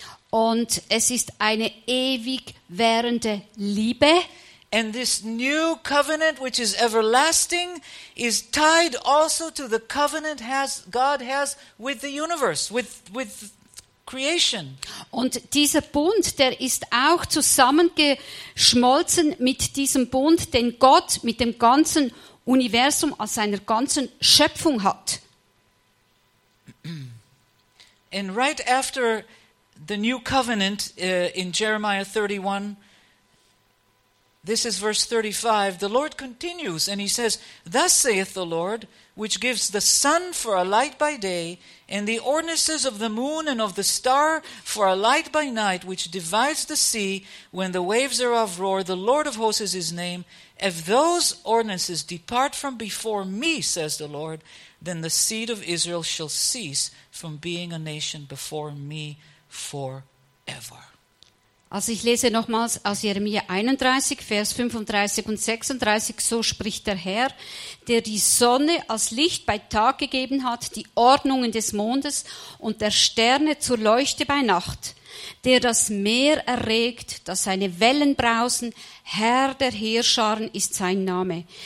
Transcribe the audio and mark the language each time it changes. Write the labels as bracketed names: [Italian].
[German] Und es ist eine ewig währende Liebe. [English] And this new covenant, which is everlasting, is tied also to the covenant God has with the universe, with creation. [German] Und dieser Bund, der ist auch zusammengeschmolzen mit diesem Bund, den Gott mit dem ganzen Universum als seiner ganzen Schöpfung hat. [English] And right after the new covenant in Jeremiah 31, this is verse 35, the Lord continues and he says, Thus saith the Lord, which gives the sun for a light by day, and the ordinances of the moon and of the star for a light by night, which divides the sea when the waves thereof roar, the Lord of hosts is his name. If those ordinances depart from before me, says the Lord, then the seed of Israel shall cease from being a nation before me forever. [German] Also ich lese nochmals aus Jeremia 31, Vers 35 und 36, so spricht der Herr, der die Sonne als Licht bei Tag gegeben hat, die Ordnungen des Mondes und der Sterne zur Leuchte bei Nacht, der das Meer erregt, das seine Wellen brausen, Herr der Heerscharen ist sein Name.